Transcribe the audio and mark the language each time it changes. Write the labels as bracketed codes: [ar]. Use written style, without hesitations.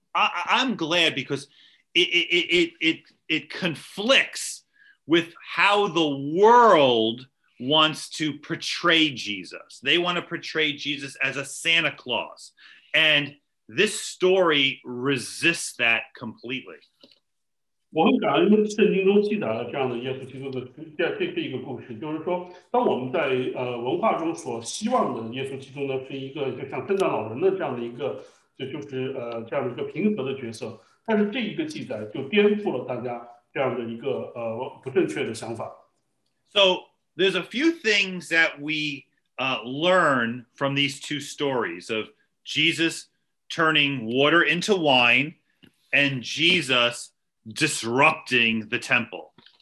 [en] I'm glad because it conflicts with how the world wants to portray Jesus. They want to portray Jesus as a Santa Claus. And this story resists that completely. [zh] 我很感恩圣经中记载了这样的耶稣基督的这样的一个故事，就是说，当我们在文化中所希望的耶稣基督呢，是一个就像圣诞老人的这样的一个就是这样的一个平和的角色，但是这一个记载就颠覆了大家这样的一个不正确的想法。 [en] So there's a few things that we learn from these two stories of Jesus turning water into wine and Jesus disrupting the temple.